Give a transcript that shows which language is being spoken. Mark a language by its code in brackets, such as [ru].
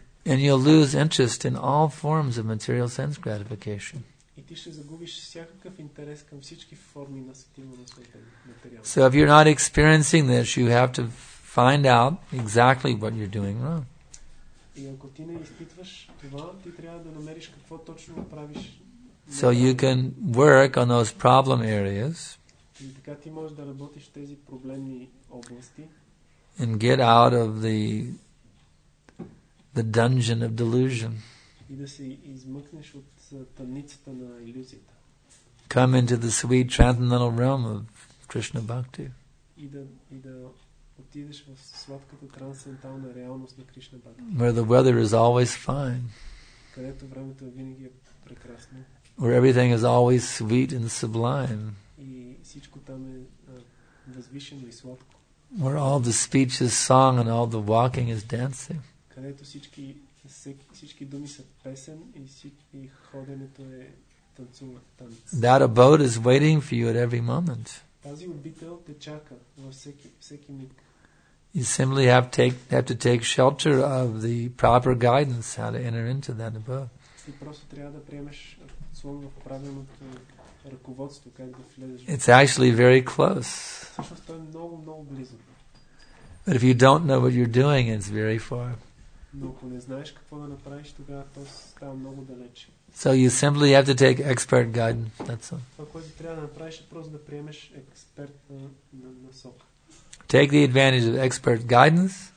[en] And you'll lose interest in all forms of material sense gratification. [bg] И ти ще загубиш всякакъв интерес към всички форми на светилно осветление материал. [en] So if you're not experiencing this, you have to find out exactly what you're doing wrong. [bg] И ако ти не изпитваш това, ти трябва да намериш какво точно правиш. [en] So you can work on those problem areas. [bg] И така ти можеш да работиш в тези проблемни области. [en] And get out of the dungeon of delusion. [bg] И да се измъкнеш от тъмницата на илюзията. [en] Come into the sweet transcendental realm of Krishna Bhakti. [bg] И да отидеш в сладката трансцендентална реалност на Кришна Бхакти. [en] Where the weather is always fine. [bg] Където времето винаги е прекрасно. [en] Where everything is always sweet and sublime. [bg] И всичко там е възвишено и сладко. [en] Where all the speech is song and all the walking is dancing. [bg] Където всички думи са песен и всички ходенето е танцуване. [en] That abode is waiting for you at every moment. [bg] Тази обител те чака във всеки миг. [en] You simply have to take shelter of the proper guidance how to enter into that abode. [bg] Ти просто трябва да приемеш слово в правилното ръководство как да влезеш. [en] It's actually very close. [bg] Всъщност е много, много близо. [en] But if you don't know what you're doing, it's very far. [bg] Но ако не знаеш какво да направиш, тогава то става много далеч. [en] So you simply have to take expert guidance. That's all. [bg] Това, което трябва да направиш, е просто да приемеш експертна насока. [en] Take the advantage of expert guidance.